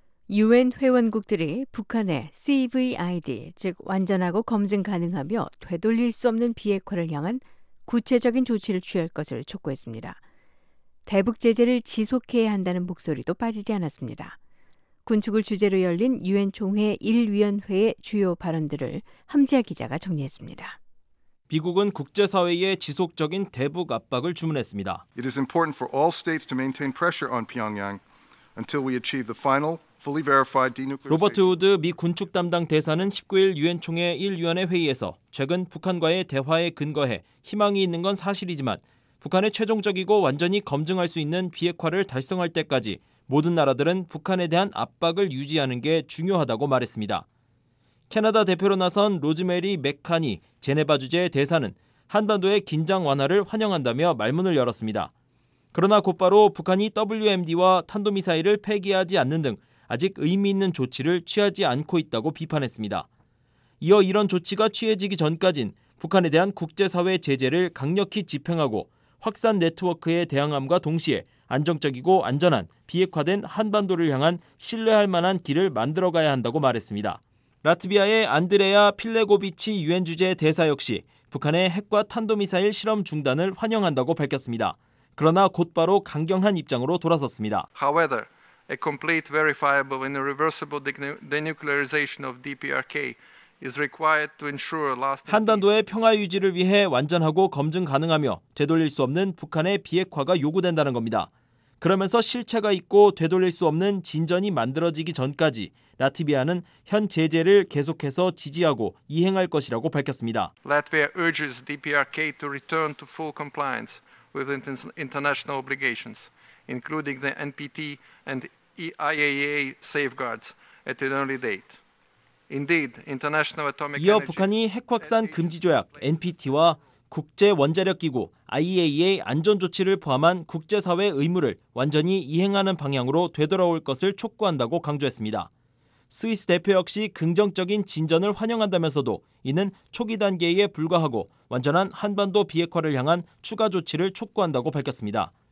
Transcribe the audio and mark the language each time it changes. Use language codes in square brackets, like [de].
[ko] 유엔 회원국들이 북한의 CVID, 즉 완전하고 검증 가능하며 되돌릴 수 없는 비핵화를 향한 구체적인 조치를 취할 것을 촉구했습니다. 대북 제재를 지속해야 한다는 목소리도 빠지지 않았습니다. 군축을 주제로 열린 유엔 총회 1위원회의 주요 발언들을 함지아 기자가 정리했습니다. 미국은 국제사회에 지속적인 대북 압박을 주문했습니다. [en] It is important for all states to maintain pressure on Pyongyang until we achieve the final fully verified denuclearization. [ko] 로버트 우드 미 군축 담당 대사는 19일 유엔 총회 1위원회 회의에서 최근 북한과의 대화에 근거해 희망이 있는 건 사실이지만 북한의 최종적이고 완전히 검증할 수 있는 비핵화를 달성할 때까지 모든 나라들은 북한에 대한 압박을 유지하는 게 중요하다고 말했습니다. 캐나다 대표로 나선 로즈메리 맥카니 제네바 주재 대사는 한반도의 긴장 완화를 환영한다며 말문을 열었습니다. 그러나 곧바로 북한이 WMD와 탄도미사일을 폐기하지 않는 등 아직 의미 있는 조치를 취하지 않고 있다고 비판했습니다. 이어 이런 조치가 취해지기 전까진 북한에 대한 국제사회 제재를 강력히 집행하고 확산 네트워크에 대항함과 동시에 안정적이고 안전한 비핵화된 한반도를 향한 신뢰할 만한 길을 만들어가야 한다고 말했습니다. 라트비아의 안드레야 필레고비치 유엔 주재 대사 역시 북한의 핵과 탄도미사일 실험 중단을 환영한다고 밝혔습니다. 그러나 곧바로 강경한 입장으로 돌아섰습니다. [en] However, a complete, verifiable, and irreversible denuclearization of DPRK is required to ensure lasting. [ko] 한반도의 평화 유지를 위해 완전하고 검증 가능하며 되돌릴 수 없는 북한의 비핵화가 요구된다는 겁니다. 그러면서 실체가 있고 되돌릴 수 없는 진전이 만들어지기 전까지 라트비아는 현 제재를 계속해서 지지하고 이행할 것이라고 밝혔습니다. [en] Latvia urges DPRK to return to full compliance with international obligations, including the NPT and IAEA safeguards at an early date. Indeed, international atomic energy. [ko] 이어 북한이 핵 확산 금지 조약 NPT와 국제 원자력 기구 IAEA 안전 조치를 포함한 국제 사회 의무를 완전히 이행하는 방향으로 되돌아올 것을 촉구한다고 강조했습니다. 스위스 대표 역시 긍정적인 진전을 환영한다면서도 이는 초기 단계에 불과하고 완전한 한반도 비핵화를 향한 추가 조치를 촉구한다고 밝혔습니다.